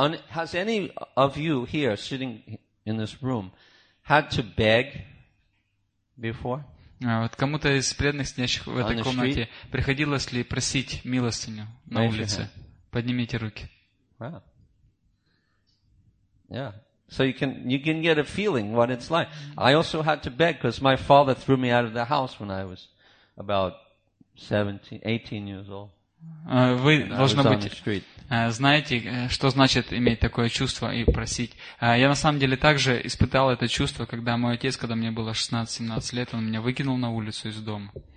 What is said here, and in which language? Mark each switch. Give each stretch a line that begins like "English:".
English: Has any of you here, sitting in this room, had to beg before?
Russian: Вот кому-то из преданных сидящих в этой комнате приходилось ли просить милостыню на улице? Поднимите руки.
English: Yeah. So you can get a feeling what it's like. I also had to beg because my father threw me out of the house when I was about 17-18 years old.
Russian: Вы, должно быть, знаете, что значит иметь такое чувство и просить. Я на самом деле также испытал это чувство, когда мой отец, когда мне было 16-17 лет, он меня выкинул на улицу из дома.